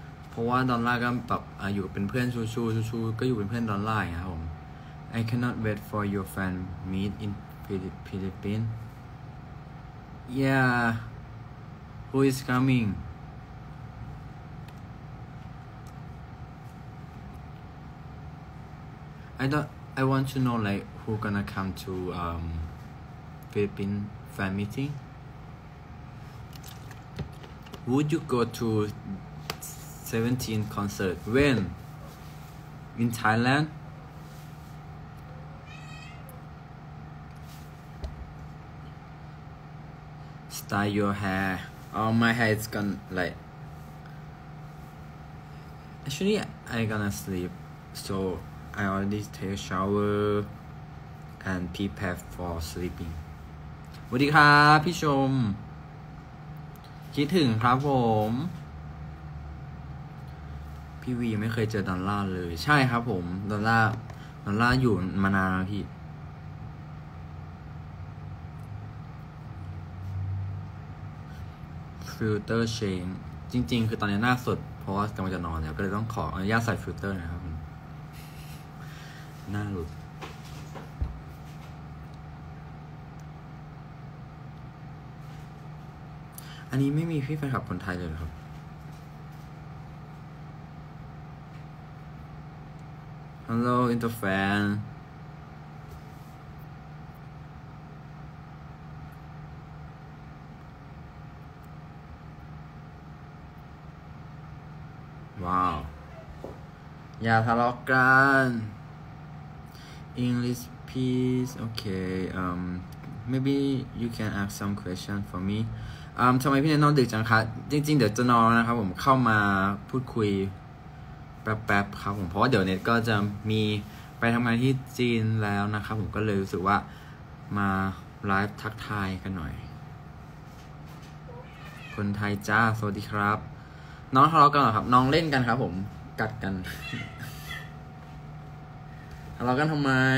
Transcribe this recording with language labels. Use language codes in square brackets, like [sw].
[th] เพราะว่าดอนล่าก็แบบอยู่เป็นเพื่อนชูก็อยู่เป็นเพื่อนดอนล่าครับผม [en] I cannot wait for your fan meet in Philippines Yeah Who is comingI want to know like who gonna come to Philippine fan meeting. Would you go to 17 concert when in Thailand? Style your hair. Oh, my hair is gonna like. Actually, I gonna sleep so. I already take a shower and prepare for sleeping. [th] สวัสดีครับพี่ชมคิดถึงครับผมพี่วีไม่เคยเจอดอลล่าเลยใช่ครับผมดอลล่าอยู่มานานแล้วพี่ฟิลเตอร์เชนจริงๆคือตอนนี้หน้าสดเพราะว่ากำลังจะนอนเนี่ยก็เลยต้องขออนุญาตใส่ฟิลเตอร์นะครับน่าหลุด อันนี้ไม่มีพี่แฟนคลับคนไทยเลยครับฮัลโหลอินเตอร์แฟนว้าวอย่าทะเลาะกัน [en] English, please. Okay. Maybe you can ask some question for me. [th] ทำไมพี่เนี่ยนอนดึกจังคะจริงๆเดี๋ยวจะนอนนะครับผมเข้ามาพูดคุยแป๊บๆครับผมเพราะว่าเดี๋ยวเนี่ยก็จะมีไปทำงานที่จีนแล้วนะครับผมก็เลยรู้สึกว่ามาไลฟ์ทักทายกันหน่อยคนไทยจ้าสวัสดีครับน้องทะเลาะกันเหรอครับน้องเล่นกันครับผมกัดกันเรากันทำไม